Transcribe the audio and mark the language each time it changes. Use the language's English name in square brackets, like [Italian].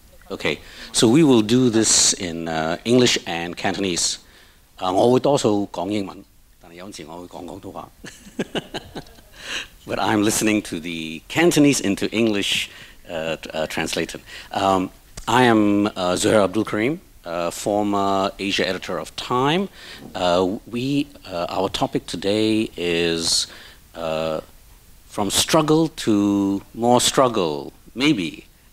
[English] Okay, so we will do this in English and Cantonese. [Cantonese] 我會多數講英文，但有時我會講廣東話。 [English] But I'm listening to the Cantonese into English translated. I am Zoher ABDOOLCARIM, former Asia editor of Time. Our topic today is from struggle to more struggle, maybe.